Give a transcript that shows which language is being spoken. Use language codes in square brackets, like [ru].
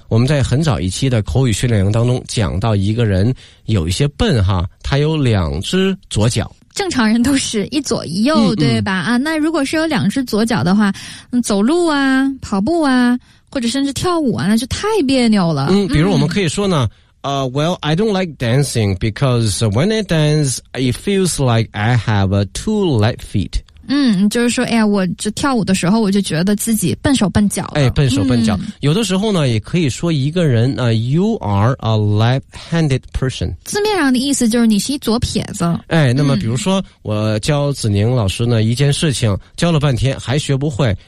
[zh] 我们在很早一期的口语训练营当中讲到一个人有一些笨哈，他有两只左脚，正常人都是一左一右、嗯、对吧、嗯、啊，那如果是有两只左脚的话，走路啊跑步啊或者甚至跳舞啊，那就太别扭了。 [en] 嗯， [zh] 比如我们可以说呢、 [en] 嗯well, I don't like dancing because when I dance, it feels like I have two left feet. [zh] 嗯，就是说，哎呀，我这跳舞的时候，我就觉得自己笨手笨脚了。哎，笨手笨脚。嗯、有的时候呢，也可以说一个人啊、 [en] you are a left-handed person. [zh] 字面上的意思就是你是一左撇子。哎，那么比如说、嗯、我教子宁老师呢一件事情，教了半天还学不会。